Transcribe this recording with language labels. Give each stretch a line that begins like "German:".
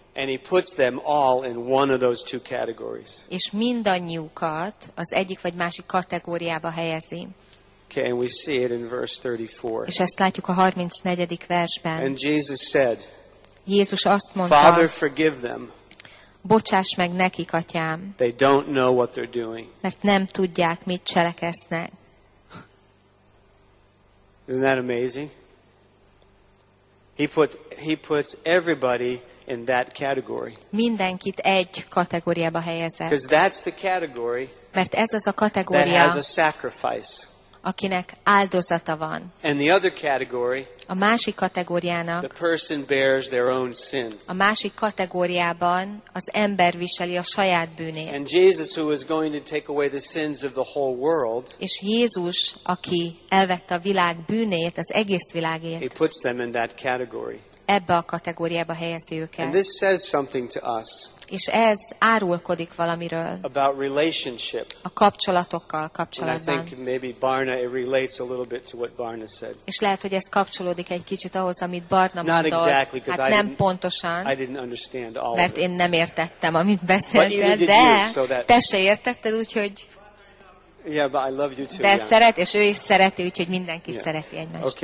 English: And he puts them all in one of those two categories.
Hungarian: És mindannyiukat az egyik vagy másik kategóriába helyezi.
English: Okay, and we see it in verse 34.
Hungarian: És ezt látjuk a 34. versben.
English: And Jesus said,
Hungarian: Jézus azt mondta,
English: Father, forgive them.
Hungarian: Bocsáss meg nekik, Atyám.
English: They don't know what they're doing.
Hungarian: Mert nem tudják, mit cselekesznek.
English: Isn't that amazing? He puts everybody in that category.
Hungarian: Mindenkit egy kategóriába helyezett.
English: Because that's the category.
Hungarian: Mert ez az a kategória.
English: That has a sacrifice.
Hungarian: Akinek áldozata van.
English: And the other category.
Hungarian: A másik kategóriának.
English: The person bears their own sin.
Hungarian: A másik kategóriában az ember viseli a saját bűnét.
English: And Jesus, who is going to take away the sins of the whole world.
Hungarian: És Jézus, aki elvette a világ bűnét, az egész világét.
English: He puts them in that category.
Hungarian: Ebbe a kategóriába helyezi őket.
English: And this says something to us.
Hungarian: És ez árulkodik valamiről.
English: About relationship.
Hungarian: A kapcsolatokkal kapcsolatban.
English: And I think maybe Barna, it relates a little bit to what Barna said.
Hungarian: És lehet, hogy ez kapcsolódik egy kicsit ahhoz, amit Barna mondott.
English: Not exactly,
Hungarian: hát nem pontosan.
English: I didn't understand all of it.
Hungarian: Mert én nem értettem, amit beszéltél, de te se értetted, úgyhogy...
English: Yeah, but I love you too.
Hungarian: De
English: yeah.
Hungarian: Szeret, és ő is szereti, úgyhogy mindenki yeah. Szereti egymást.